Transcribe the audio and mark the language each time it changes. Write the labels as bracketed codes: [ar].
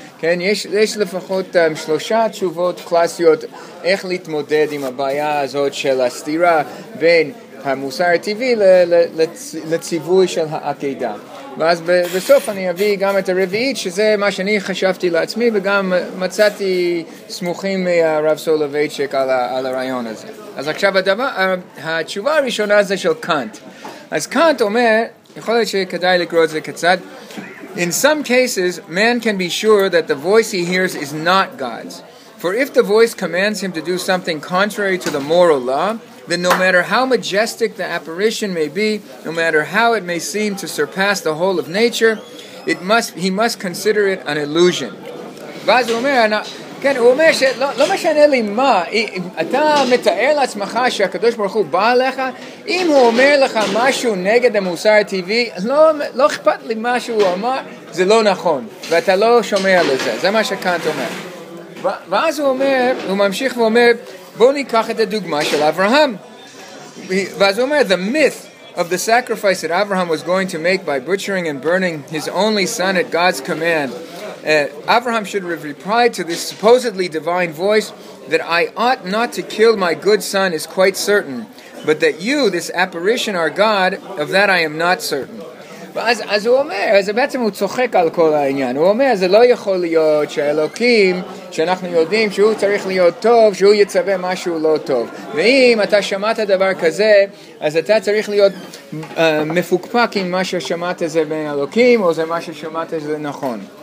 [he] כן, יש לפחות שלושה תשובות קלאסיות איך להתמודד עם הבעיה הזאת של הסתירה בין המוסר הטבעי לציווי של העקידה. ואז בסוף אני אביא גם את הרביעית, שזה מה שאני חשבתי לעצמי, וגם מצאתי סמוכים מהרב סולובייצ'יק על הרעיון הזה. אז עכשיו התשובה הראשונה זה של קאנט. אז קאנט אומר, יכול להיות שכדאי לקרוא את זה קצת, [en] In some cases, man can be sure that the voice he hears is not God's. For if the voice commands him to do something contrary to the moral law, then no matter how majestic the apparition may be, no matter how it may seem to surpass the whole of nature, he must consider it an illusion. [he] ואז הוא אומר, כן, הוא אומר שלא משנה לי מה, אתה מתאר לעצמך שהקדוש ברוך הוא בא לך, אם הוא אומר לך משהו נגד המוסר הטבעי, לא אכפת לי מה שהוא אמר, זה לא נכון, ואתה לא שומע לזה, זה מה שקאנט אומר. ואז הוא אומר, הוא ממשיך ואומר, בואו ניקח את הדוגמה של אברהם. ואז הוא אומר, [en] the myth of the sacrifice that Abraham was going to make by butchering and burning his only son at God's command. Abraham should have replied to this supposedly divine voice that I ought not to kill my good son is quite certain, but that you, this apparition, are God, of that I am not certain. [he] אז הוא אומר, אז בעצם הוא צוחק על כל העניין, הוא אומר, זה לא יכול להיות שאלוקים, שאנחנו יודעים שהוא צריך להיות טוב, שהוא יצווה משהו לא טוב. ואם אתה שמעת דבר כזה, אז אתה צריך להיות מפוקפק עם מה ששמעת זה בין אלוקים, או זה מה ששמעת זה נכון.